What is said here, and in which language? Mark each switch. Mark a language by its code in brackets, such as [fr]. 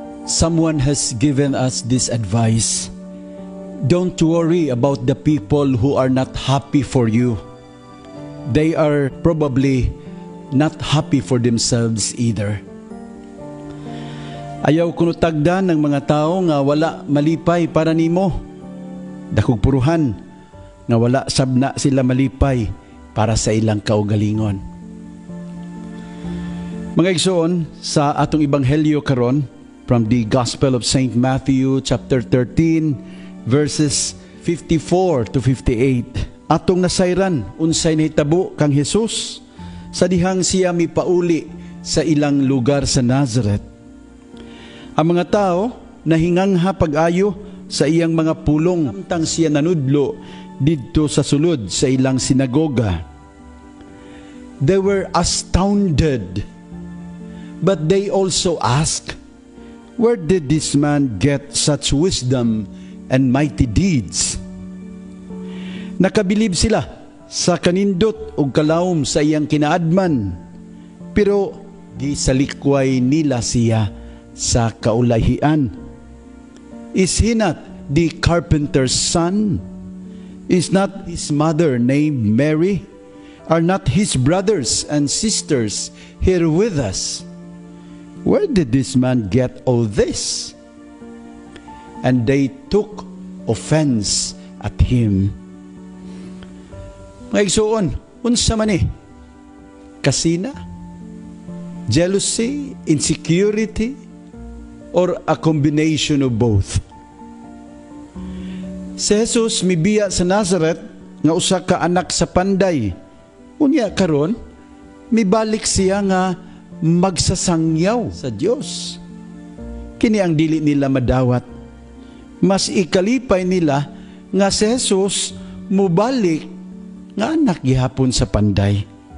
[en] someone has given us this advice. Don't worry about the people who are not happy for you. They are probably not happy for themselves either. [ceb] Ayaw kuno tagdan ng mga tao nga wala malipay para nimo. Dakog puruhan nga wala sabna sila malipay para sa ilang kaugalingon. Mga igsoon, sa atong ebanghelyo karon, [en] from the Gospel of St. [ceb] Matthew chapter 13 verses 54 to 58, atong nasayran unsay nahitabo kang Jesus sa dihang siya mipauli sa ilang lugar sa Nazareth. Ang mga tao nahinganha pag-ayo sa iyang mga pulong samtang siya nanudlo dito sa sulod sa ilang sinagoga. [en] They were astounded, but they also asked, "Where did this man get such wisdom and mighty deeds?" [ceb] Nakabilib sila sa kanindot o kalaom sa iyang kinaadman, pero gisalikway nila siya sa kaulahian. [en] "Is he not the carpenter's son? Is not his mother named Mary? Are not his brothers and sisters here with us? Where did this man get all this?" And they took offense at him. [ceb] Mga igsoon, unsa man eh? Kasina? [en] Jealousy? Insecurity? Or a combination of both? [ceb] Si Jesus mibiya sa Nazareth nga usa ka anak sa panday. Unya karon, mibalik siya nga magsasangyaw sa Dios. Kini ang dili nila madawat. Mas ikalipay nila nga si Jesus mubalik nga anak gihapon sa panday.